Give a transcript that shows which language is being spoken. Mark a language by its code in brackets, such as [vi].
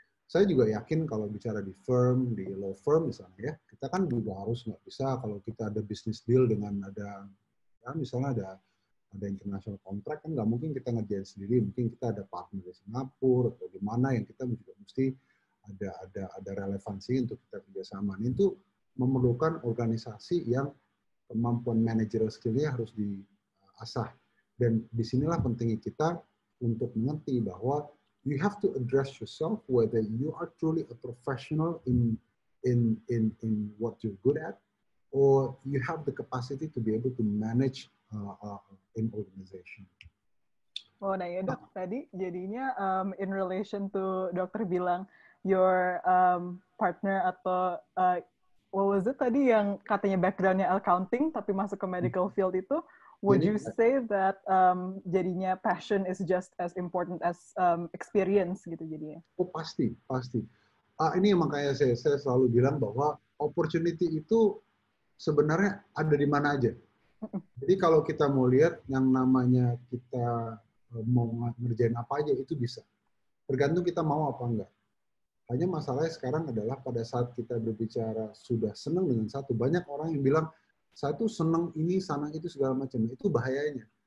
[id] Saya juga yakin kalau bicara di firm, di law firm misalnya ya, kita kan juga harus nggak bisa kalau kita ada business deal dengan ada, ya misalnya ada international contract, kan nggak mungkin kita ngerjain sendiri, mungkin kita ada partner di Singapura atau di mana yang kita juga mesti ada relevansi untuk kita kerjasama. Ini itu memerlukan organisasi yang kemampuan managerial skill-nya harus diasah. Dan disinilah pentingnya kita untuk mengerti bahwa [en] you have to address yourself whether you are truly a professional in what you're good at, or you have the capacity to be able to manage an organization. [id] Oh, nah ya dok, tadi jadinya [en] in relation to [id] dokter bilang your partner atau [en] what was it [id] tadi yang katanya backgroundnya accounting tapi masuk ke medical field itu, [en] would you say that jadinya passion is just as important as experience [id] gitu jadinya? Oh pasti, pasti. Ini makanya saya selalu bilang bahwa opportunity itu sebenarnya ada di mana aja. Jadi kalau kita mau lihat yang namanya kita mau ngerjain apa aja itu bisa. Tergantung kita mau apa enggak. Hanya masalahnya sekarang adalah pada saat kita berbicara sudah senang dengan satu, banyak orang yang bilang satu senang ini sana itu segala macam, itu bahayanya.